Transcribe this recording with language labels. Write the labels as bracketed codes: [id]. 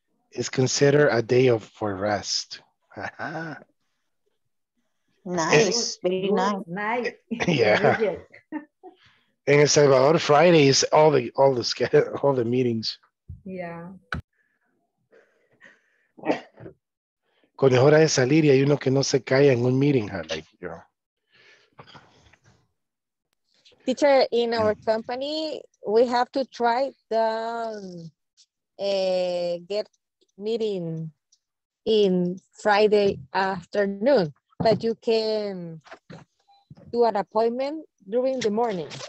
[en] It's considered a day of for rest. Nice, very nice. Yeah. In El Salvador, Friday is all the meetings. Yeah. [es] Con hora de salir y hay uno que no se calla en un meeting, huh? [en] Like you know. Teacher, in our company, we have to try to get meeting in Friday afternoon, but you can do an appointment during the morning.